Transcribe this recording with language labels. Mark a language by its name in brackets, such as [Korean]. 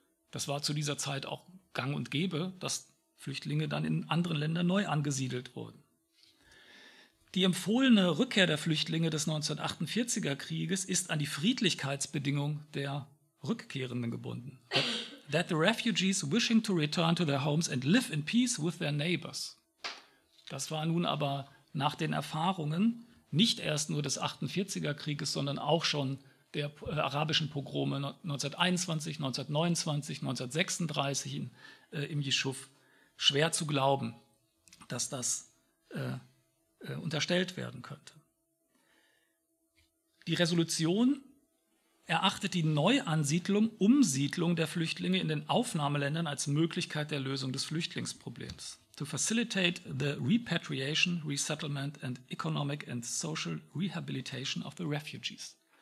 [German] Das war zu dieser Zeit auch gang und gäbe, dass Flüchtlinge dann in anderen Ländern neu angesiedelt wurden. Die empfohlene Rückkehr der Flüchtlinge des 1948er Krieges ist an die Friedlichkeitsbedingung der Rückkehrenden gebunden. [English] That the refugees wishing to return to their homes and live in peace with their neighbors. [German] Das war nun aber nach den Erfahrungen nicht erst nur des 48er Krieges, sondern auch schon der arabischen Pogrome 1921, 1929, 1936 im Jischuf schwer zu glauben, dass das unterstellt werden könnte. Die Resolution erachtet die Neuansiedlung, Umsiedlung der Flüchtlinge in den Aufnahmeländern als Möglichkeit der Lösung des Flüchtlingsproblems. [English] To facilitate the repatriation, resettlement and economic and social rehabilitation of the refugees.